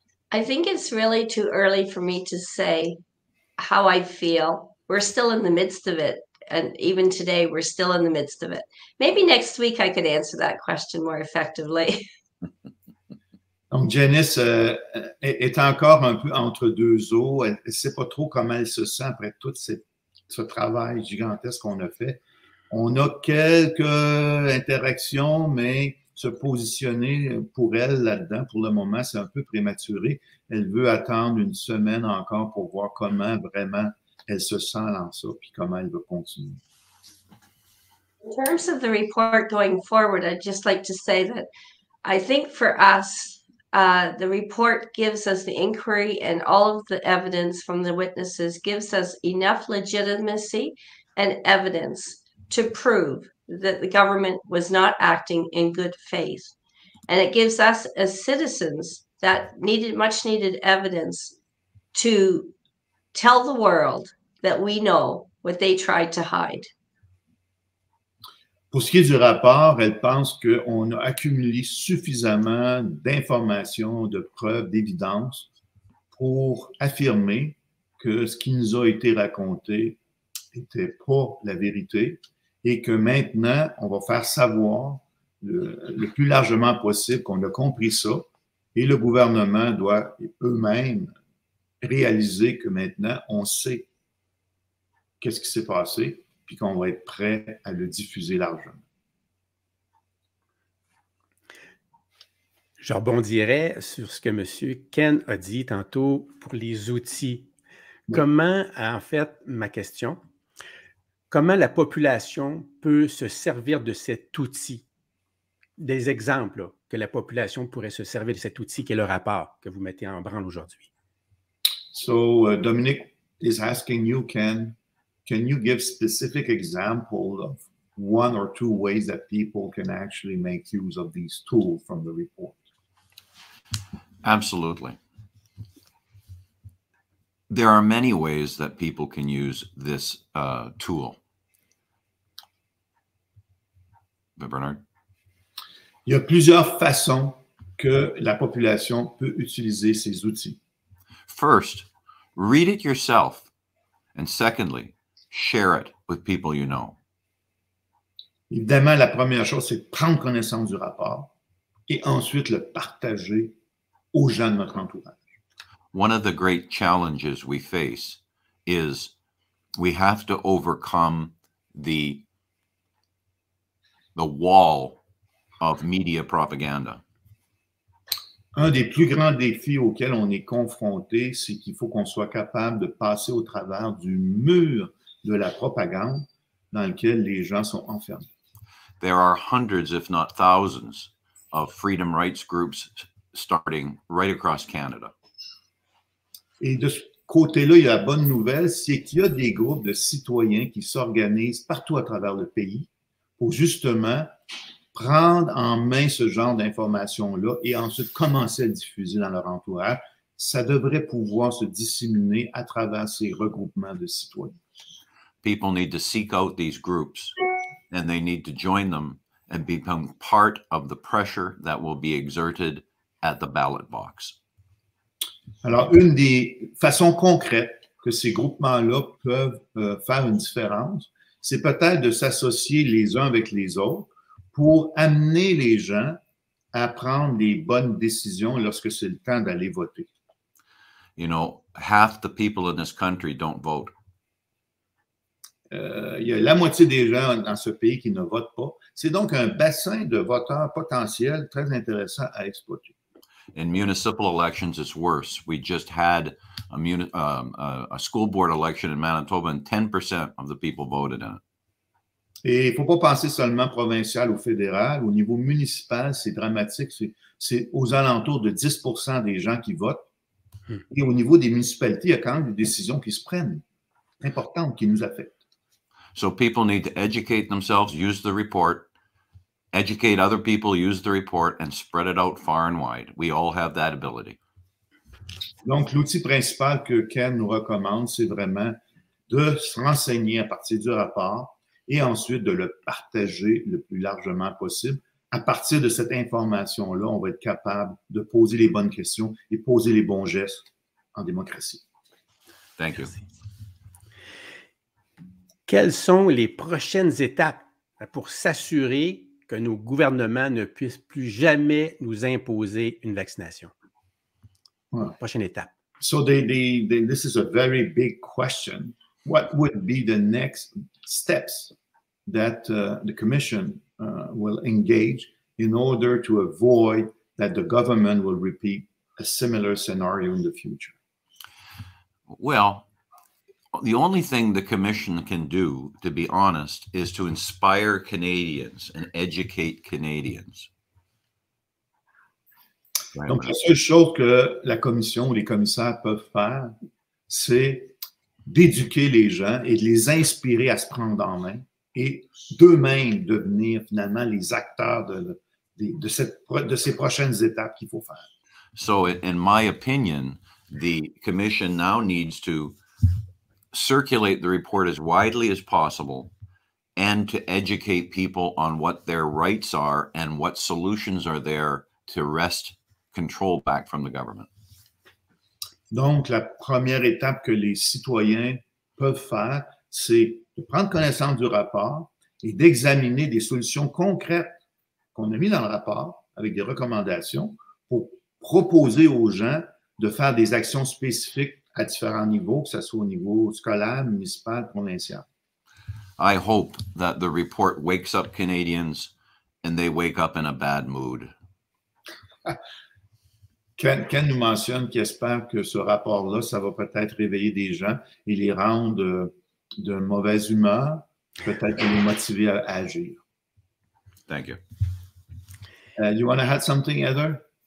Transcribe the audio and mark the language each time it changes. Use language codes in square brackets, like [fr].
[en] I think it's really too early for me to say how I feel. We're still in the midst of it. And even today, we're still in the midst of it. Maybe next week I could answer that question more effectively. [fr] Donc, Janice est encore un peu entre deux eaux. Elle ne sait pas trop comment elle se sent après tout ce travail gigantesque qu'on a fait. On a quelques interactions, mais se positionner pour elle là-dedans, pour le moment, c'est un peu prématuré. Elle veut attendre une semaine encore pour voir comment vraiment elle se sent dans ça, puis comment elle veut continuer. [en] In terms of the report going forward, I'd just like to say that I think for us, the report gives us the inquiry and all of the evidence from the witnesses gives us enough legitimacy and evidence to prove that the government was not acting in good faith. And it gives us as citizens that needed much needed evidence to tell the world that we know what they tried to hide. [fr] Pour ce qui est du rapport, elle pense qu'on a accumulé suffisamment d'informations, de preuves, d'évidences pour affirmer que ce qui nous a été raconté n'était pas la vérité et que maintenant, on va faire savoir le plus largement possible qu'on a compris ça et le gouvernement doit eux-mêmes réaliser que maintenant, on sait qu'est-ce qui s'est passé. Puis qu'on va être prêt à le diffuser largement. Je rebondirais sur ce que M. Ken a dit tantôt pour les outils. Oui. Comment, en fait, ma question, comment la population peut se servir de cet outil? Des exemples là, que la population pourrait se servir de cet outil qui est le rapport que vous mettez en branle aujourd'hui. [en] So, Dominic is asking you, Ken, can you give specific example of one or two ways that people can actually make use of these tools from the report? Absolutely. there are many ways that people can use this tool. Bernard? [fr] Il y a plusieurs façons que la population peut utiliser ces outils. [en] First, read it yourself. And secondly, share it with people you know. [fr] Évidemment, la première chose, c'est prendre connaissance du rapport et ensuite le partager aux gens de notre entourage. [en] One of the great challenges we face is we have to overcome the wall of media propaganda. [fr] Un des plus grands défis auxquels on est confronté, c'est qu'il faut qu'on soit capable de passer au travers du mur de la propagande dans lequel les gens sont enfermés. [en] There are hundreds, if not thousands, of freedom rights groups starting right across Canada. [fr] Et de ce côté-là, il y a la bonne nouvelle, c'est qu'il y a des groupes de citoyens qui s'organisent partout à travers le pays pour justement prendre en main ce genre d'informations-là et ensuite commencer à diffuser dans leur entourage. Ça devrait pouvoir se disséminer à travers ces regroupements de citoyens. [en] People need to seek out these groups and they need to join them and become part of the pressure that will be exerted at the ballot box. [fr] Alors, une des façons concrètes que ces groupements-là peuvent faire une différence, c'est peut-être de s'associer les uns avec les autres pour amener les gens à prendre les bonnes décisions lorsque c'est le temps d'aller voter. [en] You know, half the people in this country don't vote. [fr] Il y a la moitié des gens dans ce pays qui ne votent pas. C'est donc un bassin de voteurs potentiels très intéressant à exploiter. [en] In municipal elections, it's worse. We just had a school board election in Manitoba and 10% of the people voted in it. [fr] Et il ne faut pas penser seulement provincial ou fédéral. Au niveau municipal, c'est dramatique. C'est aux alentours de 10% des gens qui votent. Et au niveau des municipalités, il y a quand même des décisions qui se prennent, importantes, qui nous affectent. [en] So people need to educate themselves, use the report, educate other people, use the report, and spread it out far and wide. We all have that ability. [fr] Donc, l'outil principal que Ken nous recommande, c'est vraiment de se renseigner à partir du rapport et ensuite de le partager le plus largement possible. À partir de cette information-là, on va être capable de poser les bonnes questions et poser les bons gestes en démocratie. [en] Thank you. [fr] Quelles sont les prochaines étapes pour s'assurer que nos gouvernements ne puissent plus jamais nous imposer une vaccination? Ouais. Prochaine étape. [en] So this is a very big question. What would be the next steps that the commission will engage in order to avoid that the government will repeat a similar scenario in the future? Well, the only thing the commission can do, to be honest, is to inspire Canadians and educate Canadians. [fr] Donc, la seule chose que la commission ou les commissaires peuvent faire, c'est d'éduquer les gens et de les inspirer à se prendre en main et d'eux-mêmes devenir finalement les acteurs de ces prochaines étapes qu'il faut faire. [en] So, in my opinion, the commission now needs to circulate the report as widely as possible and to educate people on what their rights are and what solutions are there to wrest control back from the government. [fr] Donc, la première étape que les citoyens peuvent faire, c'est de prendre connaissance du rapport et d'examiner des solutions concrètes qu'on a mis dans le rapport avec des recommandations pour proposer aux gens de faire des actions spécifiques à différents niveaux, que ce soit au niveau scolaire, municipal, provincial. [en] I hope that the report wakes up Canadians and they wake up in a bad mood. [fr] Ken nous mentionne qu'il espère que ce rapport-là, ça va peut-être réveiller des gens et les rendre de mauvaise humeur, peut-être les motiver à agir. [en] Thank you. You want to add something, Heather?